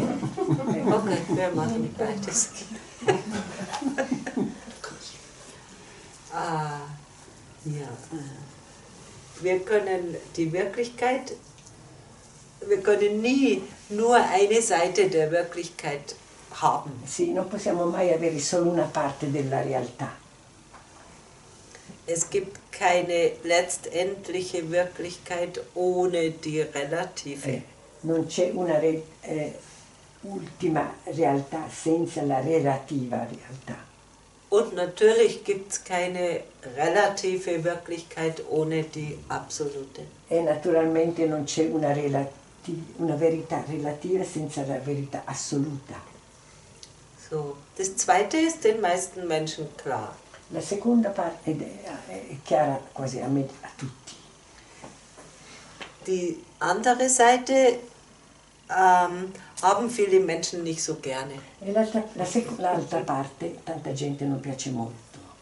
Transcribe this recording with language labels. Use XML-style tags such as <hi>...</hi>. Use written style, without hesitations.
<de>non. Okay, wir machen beides. ja. Wir können die Wirklichkeit, wir können nie nur eine Seite der Wirklichkeit haben.</de> <it>Sì, non possiamo mai avere solo una parte della realtà.</it> <de>Es gibt keine letztendliche Wirklichkeit ohne die relative.</de> <it>Non c'è una ultima realtà senza la relativa realtà.</it> <de>Und natürlich gibt's keine relative Wirklichkeit ohne die absolute.</de> <it>E naturalmente non c'è una verità relativa senza la verità assoluta.</it> <de>So, das zweite ist den meisten Menschen klar.</de> <it>La seconda parte è chiara quasi a me, a tutti.</it> <de>Die andere Seite haben viele Menschen nicht so gerne.</de> <it>E l'altra parte tanta gente non piace molto.</it>